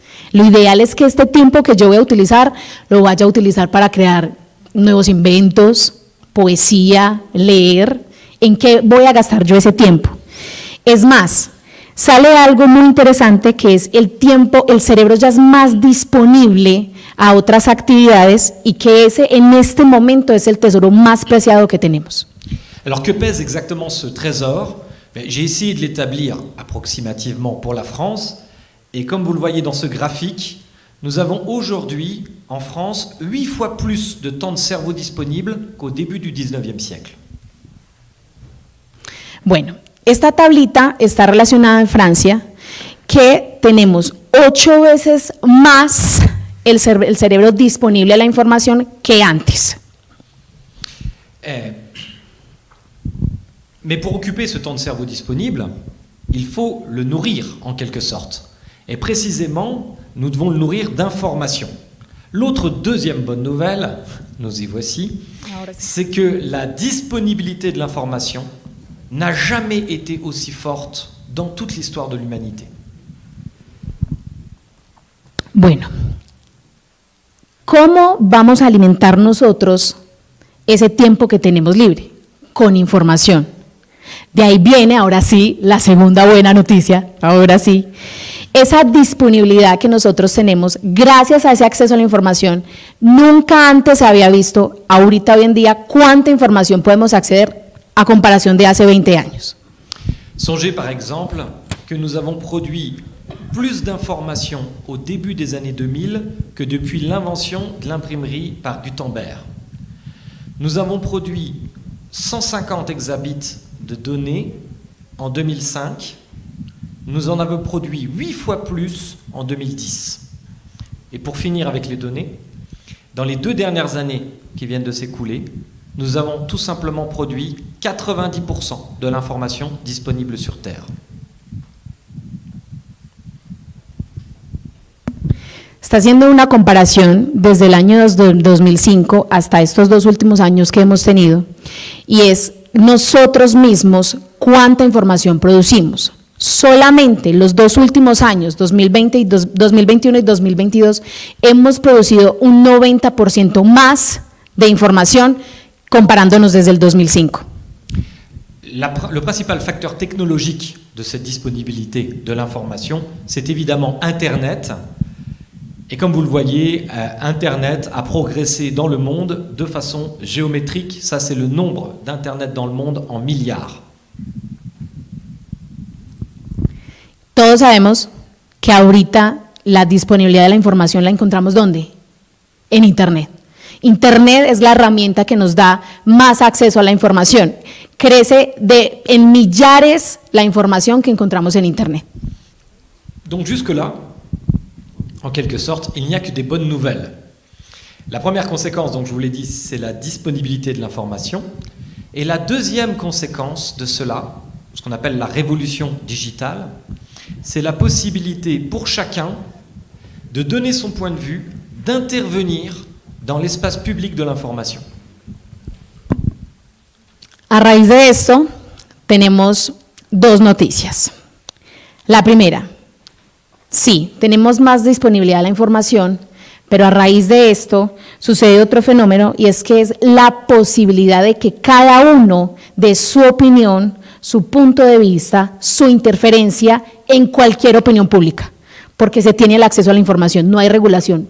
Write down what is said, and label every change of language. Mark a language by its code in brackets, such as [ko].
[es] Lo ideal es que este tiempo que yo voy a utilizar, lo vaya a utilizar para crear nuevos inventos, poesía, leer, ¿en qué voy a gastar yo ese tiempo? Es más, sale algo muy interesante que es el tiempo, el cerebro ya es más disponible a otras actividades y que ese en este momento es el tesoro más preciado que tenemos. [fr] Alors que pèse exactement ce trésor? J'ai essayé de l'établir approximativement pour la France et comme vous le voyez dans ce graphique, nous avons aujourd'hui en France 8 fois plus de temps de cerveau disponible qu'au début du 19e siècle. [es] Bueno, esta tablita está relacionada en Francia que tenemos 8 veces más el cerebro disponible a la información que antes. [fr] Mais pour occuper ce temps de cerveau disponible, il faut le nourrir en quelque sorte. Et précisément, nous devons le nourrir d'informations. L'autre deuxième bonne nouvelle, nous y voici, c'est que la disponibilité de l'information n'a jamais été aussi forte dans toute l'histoire de l'humanité. [es] Bueno. ¿Cómo vamos a alimentar nosotros ese tiempo que tenemos libre? Con información. De ahí viene, ahora sí, la segunda buena noticia, ahora sí. Esa disponibilidad que nosotros tenemos, gracias a ese acceso a la información, nunca antes se había visto, ahorita, hoy en día, cuánta información podemos acceder a comparación de hace 20 años. [fr] Songez, par exemple, que nous avons produit plus d'informations au début des années 2000 que depuis l'invention de l'imprimerie par Gutenberg. Nous avons produit 150 exabits de données en 2005. Nous en avons produit 8 fois plus en 2010. Et pour finir avec les données, dans les deux dernières années qui viennent de s'écouler, nous avons tout simplement produit 90% de l'information disponible sur Terre. [es] Está haciendo una comparación desde el año 2005 hasta estos dos últimos años que hemos tenido y es nosotros mismos cuánta información producimos. Solamente los dos últimos años, 2020 y 2021 y 2022, hemos producido un 90% más de información comparándonos desde el 2005. Le principal factor tecnológico de esta disponibilidad de la información es, evidentemente, Internet. [fr] Et comme vous le voyez, Internet a progressé dans le monde de façon géométrique. Ça, c'est le nombre d'Internet dans le monde en milliards. [es] Todos sabemos que ahorita la disponibilidad de la información la encontramos ¿dónde? En Internet. Internet es la herramienta que nos da más acceso a la información. Crece en millares la información que encontramos en Internet. [fr] Donc jusque-là, en quelque sorte, il n'y a que des bonnes nouvelles. La première conséquence, donc je vous l'ai dit, c'est la disponibilité de l'information. Et la deuxième conséquence de cela, ce qu'on appelle la révolution digitale, c'est la possibilité pour chacun de donner son point de vue, d'intervenir dans l'espace public de l'information. [es] A raíz de esto, tenemos dos noticias. La primera, sí, tenemos más disponibilidad de la información, pero a raíz de esto sucede otro fenómeno y es que es la posibilidad de que cada uno dé su opinión, su punto de vista, su interferencia en cualquier opinión pública, porque se tiene el acceso a la información, no hay regulación.